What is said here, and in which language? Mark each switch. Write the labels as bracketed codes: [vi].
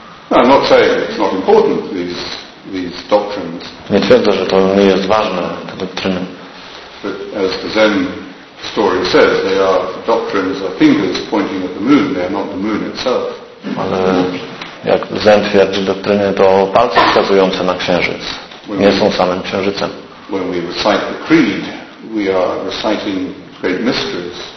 [en] No, I'm not saying it's not important, these doctrines. [pl] Nie twierdzę, że to nie jest ważne, te doktryny. [en] But as the Zen story says, they are doctrines are fingers pointing at the moon, they are not the moon itself. [pl] Ale jak Zen twierdzi, doktryny to palce wskazujące na księżyc, nie są samym księżycem. [en] When we recite the creed, we are reciting great mysteries.